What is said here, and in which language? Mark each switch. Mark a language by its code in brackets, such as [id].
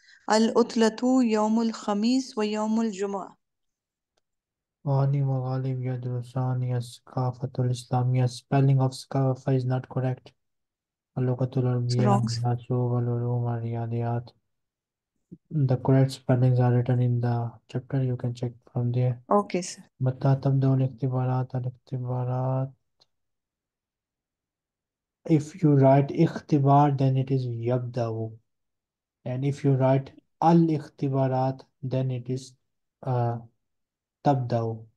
[ar] العطلة يوم الخميس ويوم الجمعة. واني وغالب يدرسان الثقافة الإسلامية. [en] Spelling of ثقافة is not correct. [ar] اللغة العربية [en] strong [ar] والحاسوب والعلوم والرياضيات. [en] The correct spellings are written in the chapter. You can check from there. Okay sir. [ar] متى تبدأ الاختبارات؟ [en] الاختبارات if you write اختبار then it is يبدأ, and if you write الاختبارات then it is تبدأ.